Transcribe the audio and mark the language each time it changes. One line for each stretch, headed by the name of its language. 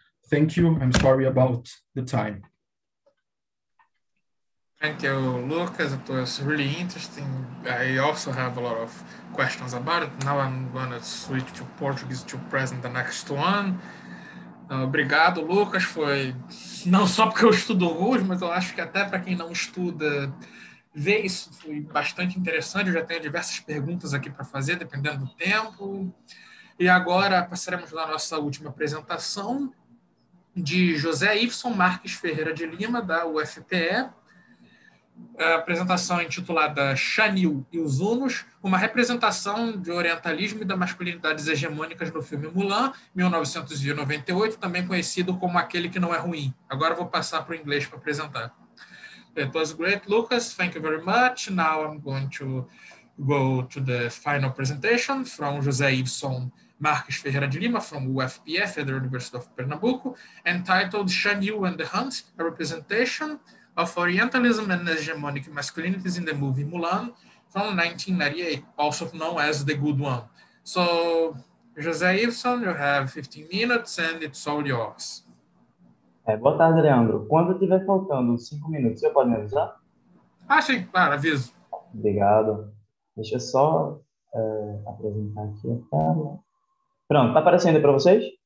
English: Thank you. I'm sorry about the time. Thank you, Lucas. It was really interesting. I also have a lot of questions about it. Now I'm going to switch to Portuguese to present the next one.
Portuguese: Obrigado, Lucas. Foi não só porque eu estudo russo, mas eu acho que até para quem não estuda, ver isso foi bastante interessante. Eu já tenho diversas perguntas aqui para fazer, dependendo do tempo. E agora passaremos na nossa última apresentação de José Iveson Marques Ferreira de Lima, da UFPE. A apresentação intitulada Chanil e os Hunos, uma representação de orientalismo e da masculinidades hegemônicas no filme Mulan, 1998, também conhecido como Aquele que Não é Ruim. Agora vou passar para o inglês para apresentar.
English: It was great, Lucas. Thank you very much. Now I'm going to go to the final presentation from José Iveson Marques Ferreira de Lima, from UFPE, Federal University of Pernambuco, entitled Chanil and the Hunt, a representation of Orientalism and Hegemonic Masculinities in the movie Mulan from 1998, also known as The Good One. So, José Iveson, you have 15 minutes and it's all yours.
Portuguese: Boa tarde, Leandro. Quando tiver faltando 5 minutos, você pode me avisar? Ah, sim, claro, aviso. Obrigado. Deixa eu só apresentar aqui a tela. Pronto, está aparecendo para vocês?